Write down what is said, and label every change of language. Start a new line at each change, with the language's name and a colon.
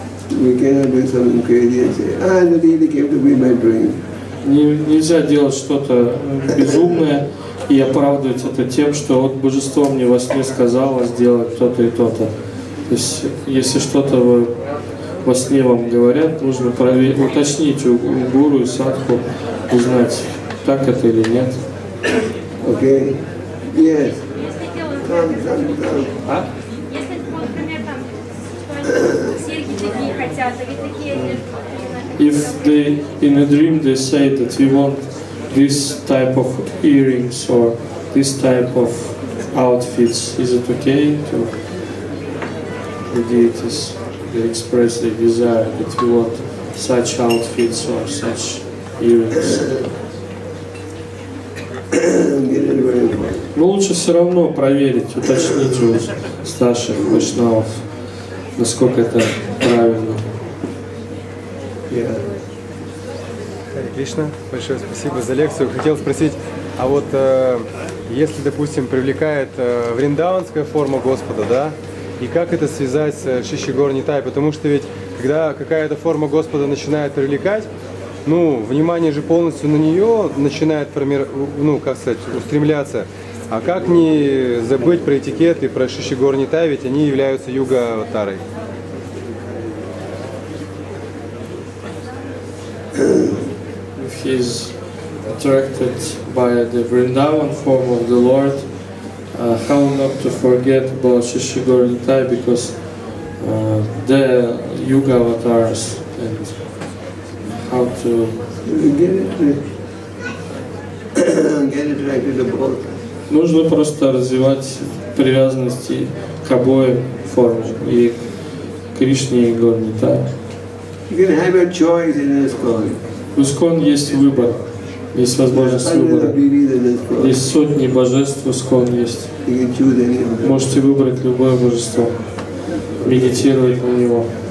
English: We cannot do something crazy and say, the deity came to be my dream.
Russian: Нельзя делать что-то безумное и оправдывать это тем, что вот божество мне во сне сказало сделать то-то и то-то. То есть, если что-то вы, во сне вам говорят, нужно уточнить у гуру и садху, узнать, так это или нет.
English: Окей. Okay. Yes.
Russian: Если дело в этом, если, например, там, серьги такие хотят, или такие...
English: If they, in a dream they say that we want this type of earrings or this type of outfits, is it okay to... The deities, they express their desire that you want such outfits or such earrings.
Russian: Но лучше все равно проверить, уточнить у старших вайшнавов, насколько это правильно. Харе Кришна, большое спасибо за лекцию. Хотел спросить, а вот если, допустим, привлекает вриндаванская форма Господа, да? И как это связать с Шишигор Нитай? Потому что ведь, когда какая-то форма Господа начинает привлекать, ну, внимание же полностью на нее начинает, ну, как сказать, устремляться. А как не забыть про этикеты, про Шиши Гор Нитай, ведь они являются юга-аватарой?
English: He's attracted by the Vrindavan form of the Lord. How not to forget about Shishi Gaur Nitai, because the yuga avatars, and how to get it right.
Russian: Нужно просто развивать привязанности к обоим формам и к Кришне и Гаур Нитай.
English: You can have a choice in this calling.
Russian: В ИСККОН есть выбор, есть возможность выбора. Есть сотни божеств, в ИСККОН есть. Можете выбрать любое божество, медитировать на него.